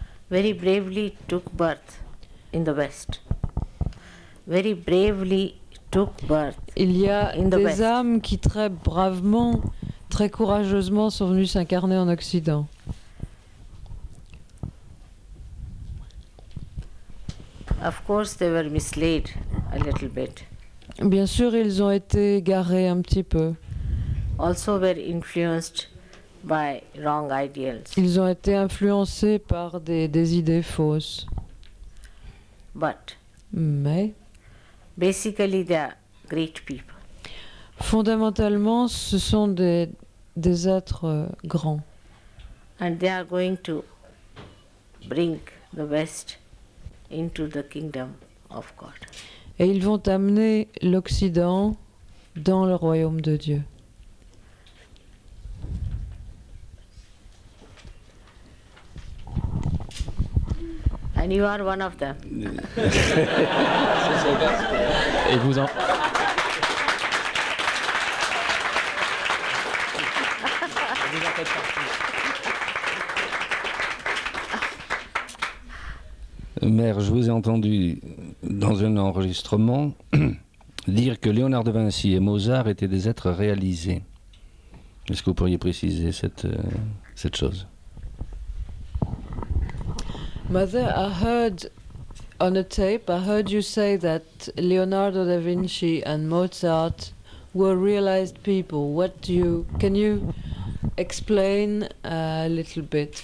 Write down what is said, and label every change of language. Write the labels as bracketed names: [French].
[English] Very bravely took birth in the West. Very bravely took birth. [French] Il y a [English] in [French] des [English] the West. [French] Âmes qui très bravement, très courageusement sont venues s'incarner en Occident. [English] Of course, they were misled a little bit. [French] Bien sûr, ils ont été garés un petit peu. [English] Also, were influenced by wrong ideals. [French] Ils ont été influencés par des idées fausses. [English] But. [French] Mais. [English] Basically, they are great people. [French] Fondamentalement, ce sont des êtres grands. [English] And they are going to bring the West into the kingdom of God. [French] Et ils vont amener l'Occident dans le royaume de Dieu. [English] And you are one of them. [French] Et vous en... Mère, je vous ai entendu dans un enregistrement dire que Léonard de Vinci et Mozart étaient des êtres réalisés. Est-ce que vous pourriez préciser cette chose? [English] Mother, I heard on a tape, I heard you say that Leonardo da Vinci and Mozart were realized people. What do you, can you explain a little bit?